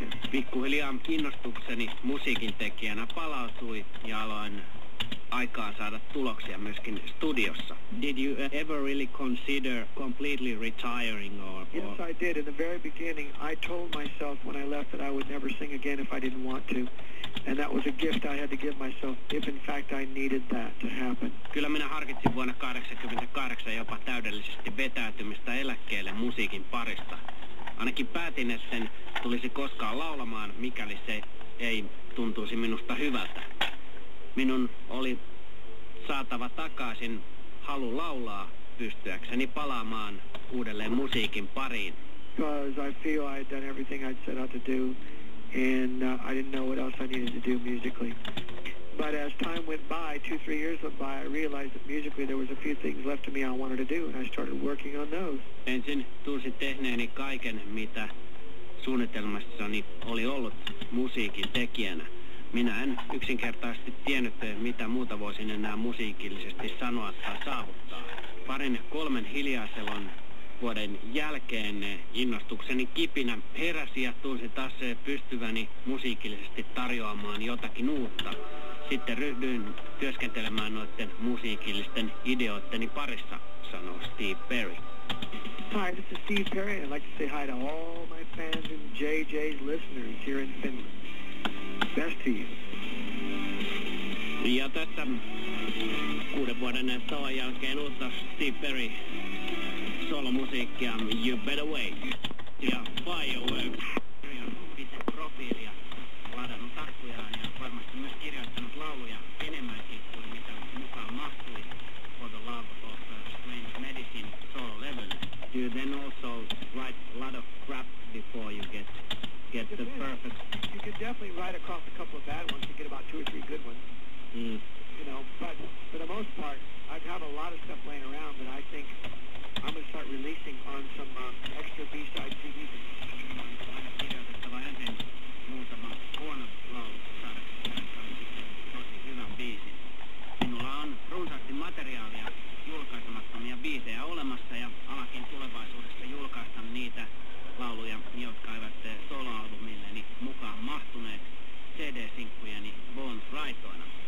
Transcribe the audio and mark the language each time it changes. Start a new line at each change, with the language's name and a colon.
Finnish: Pikkuhiljaa innostukseni musiikin tekijänä palautui ja aloin aikaa saada tuloksia myöskin studiossa.
English: Did you ever really consider completely retiring or? Yes, I did. In the very beginning, I told myself when I left that I would never sing again if I didn't want to. And that was a gift I had to give myself if in fact I needed that to happen.
Finnish: Kyllä minä harkitsin vuonna 1988 jopa täydellisesti vetäytymistä eläkkeelle musiikin parista. Ainakin päätin, että sen tulisi koskaan laulamaan, mikäli se ei tuntuisi minusta hyvältä. Minun oli saatava takaisin halu laulaa pystyäkseni palaamaan uudelleen musiikin pariin.
English: Because I feel I had done everything I'd set out to do, and I didn't know what else I needed to do musically. But as time went by, 2-3 years went by, I realized that musically there was a few things left to me I wanted to do, and I started working on those.
Finnish: Ensin tunsin tehneeni kaiken, mitä suunnitelmassani oli ollut musiikin tekijänä. Minä en yksinkertaisesti tiennyt, mitä muuta voisin enää musiikillisesti sanoa tai saavuttaa. Parin kolmen hiljaiselon vuoden jälkeen innostukseni kipinä heräsi ja tunsin taas pystyväni musiikillisesti tarjoamaan jotakin uutta. Sitten ryhdyin työskentelemään noiden musiikillisten ideoitteni parissa, sanoo Steve Perry.
English: Hi, this is Steve Perry. I'd like to say hi to all my fans and JJ's listeners here in Finland. Best to you.
Finnish: Ja tässä kuuden vuoden tauon jälkeen uutta Steve Perry solomusiikkia You Better Wait ja Fireworks. Perry on pitänyt profiilia, ladannut arkkujaan ja varmasti myös kirjoittanut lauluja enemmänkin kuin mitä mukaan mahtui For the Love of Strange Medicine solo level.
English: Do you then also write a lot of crap before you get the perfect? You could definitely write across a couple of bad ones to get about two or three good ones. You know, but for the most part, I've had a lot of stuff laying around that I think I'm going to start releasing on some extra B-side CDs. I'm going to get out of
Finnish: muutama huono laulu saadakseen hyvän biisin. Minulla on runsaasti materiaalia, julkaisemattomia biisejä olemassa ja alakin tulevaisuudessa julkaista niitä lauluja, jotka eivät soloalbumilleni mukaan mahtuneet CD-sinkkujeni bonusraitoina.